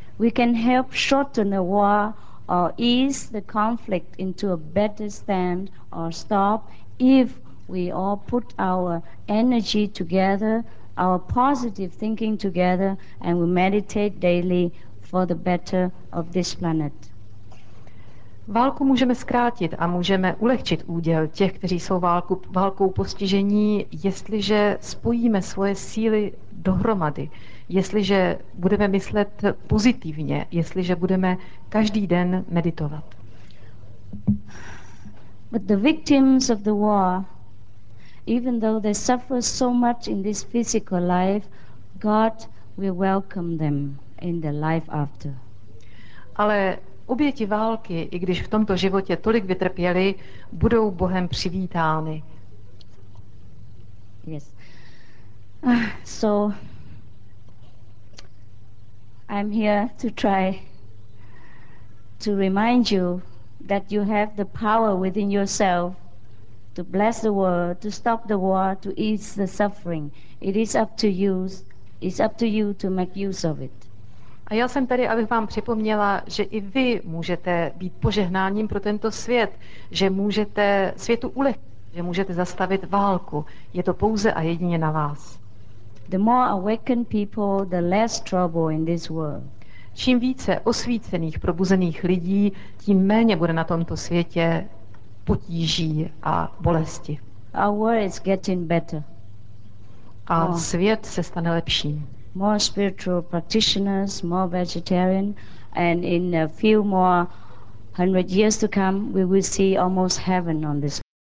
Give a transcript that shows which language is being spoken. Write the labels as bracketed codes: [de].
[en] We can help shorten the war or ease the conflict into a better stand or stop if we all put our energy together, our positive thinking together, and we meditate daily for the better of this planet. [cs] Válku můžeme zkrátit a můžeme ulehčit úděl těch, kteří jsou válkou postižení, jestliže spojíme svoje síly dohromady, jestliže budeme myslet pozitivně, jestliže budeme každý den meditovat. [en] But the victims of the war, even though they suffer so much in this physical life, God will welcome them in the life after. [cs] Ale oběti války, i když v tomto životě tolik vytrpěli, budou Bohem přivítány. [en] Yes. So I'm here to try to remind you that you have the power within yourself to bless the world, to stop the war, to ease the suffering. It is up to you. It's up to you to make use of it. [cs] A já jsem tady, abych vám připomněla, že i vy můžete být požehnáním pro tento svět, že můžete světu ulehčit, že můžete zastavit válku. Je to pouze a jedině na vás. [en] The more awakened people, the less trouble in this world. [cs] Čím více osvícených, probuzených lidí, tím méně bude na tomto světě potíží a bolesti. [en] Our world is getting better. [cs] A svět se stane lepším. [en] More spiritual practitioners, more vegetarian, and in a few more 100 years to come, we will see almost heaven on this